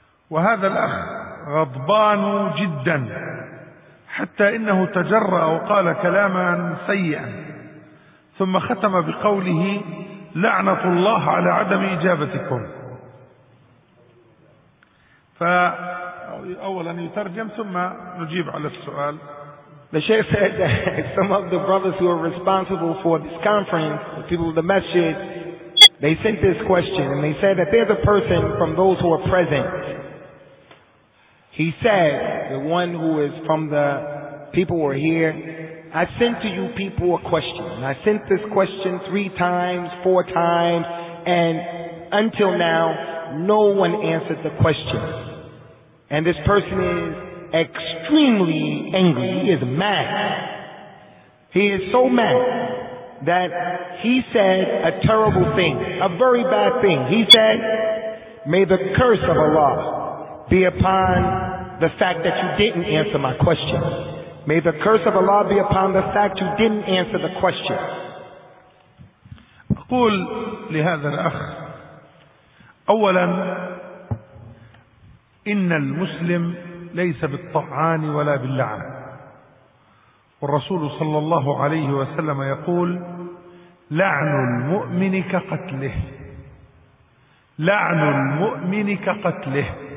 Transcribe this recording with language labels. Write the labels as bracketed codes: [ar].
[ar] وهذا الأخ غضبان جدا حتى إنه تجرأ وقال كلاما سيئا، ثم ختم بقوله: لعنة الله على عدم إجابتكم. فأولا يترجم ثم نجيب على السؤال. [en] The Sheikh said that some of the brothers who are responsible for this conference, the people of the masjid, they sent this question and they said that there's a person from those who are present. He said, the one who is from the people who are here, I sent to you people a question. And I sent this question 3 times, 4 times, and until now, no one answered the question. And this person is extremely angry. He is mad. He is so mad that he said a terrible thing, a very bad thing. He said, may the curse of Allah be upon the fact that you didn't answer my question. May the curse of Allah be upon the fact you didn't answer the question. [ar] أقول لهذا الأخ: أولا، إن المسلم ليس بالطعان ولا باللعن، والرسول صلى الله عليه وسلم يقول: لعن المؤمن كقتله، لعن المؤمن كقتله.